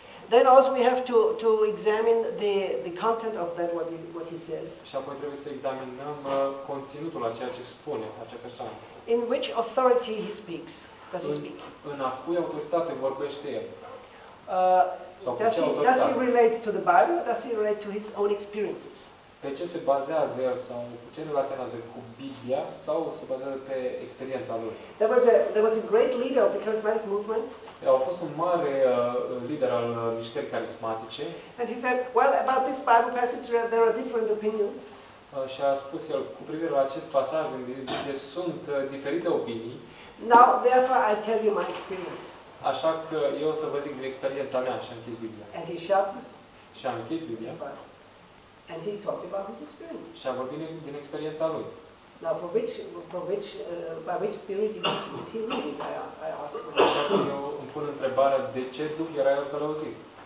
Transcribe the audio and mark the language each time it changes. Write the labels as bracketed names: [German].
[English] Then also we have to examine the content of that what he says. [Romanian] Și apoi trebuie să examinăm conținutul a ceea ce spune acea persoană. [English] In which authority he speaks? Does he speak? [Romanian] În a cui autoritate vorbește el? [English] Does he relate to the Bible? Or does he relate to his own experiences? [Romanian] Pe ce se bazează el sau cu ce relaționează cu Biblia sau se bazează pe experiența lui? [English] There was a great leader of the charismatic movement. [Romanian] A fost un mare lider al mișcării carismatice. [English] And he said, well, about this Bible passage there are different opinions. [Romanian] Și a spus el cu privire la acest pasaj din Biblie sunt diferite opinii. [English] Now therefore I tell you my experience. [Romanian] Așa că eu o să vă zic din experiența mea și am închis Biblia. [English] And he shut us. [Romanian] Și am închis Biblia. [English] And he talked about his experience. [Romanian] Și a vorbit din experiența lui. [English] Now, by which spirit is he living? I ask. [Romanian] Eu îmi pun întrebarea de ce duh era el călăuzit.